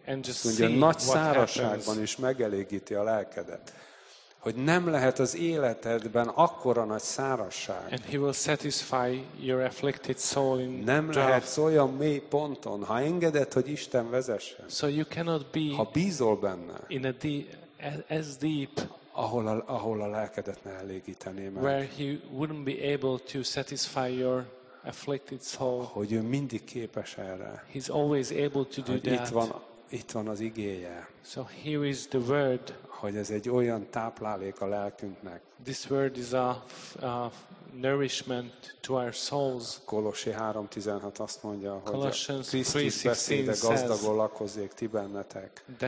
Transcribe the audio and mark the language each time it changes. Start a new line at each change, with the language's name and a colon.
English: And just see what
Hungarian: nagy szárazságban is megelégíti a lelkedet. Hogy nem lehet az életedben akkora nagy szárazság.
English: And he will satisfy your afflicted soul in drought.
Hungarian: Nem lehet olyan mély ponton, ha engeded, hogy Isten vezessen.
English: So you cannot be
Hungarian: ha bízol benne,
English: in a deep, as deep,
Hungarian: ahol a lelkedet ne elégítené meg.
English: Where he wouldn't be able to satisfy your afflicted soul.
Hungarian: Hogy ő mindig képes erre.
English: He's always able to do that.
Hungarian: Itt van az igéje.
English: So here is the word.
Hungarian: Hogy ez egy olyan táplálék a lelkünknek.
English: This word is a nourishment to our souls.
Hungarian: Kolossi 3:16 azt mondja, hogy a Krisztus beszéde gazdagon lakozzék ti bennetek.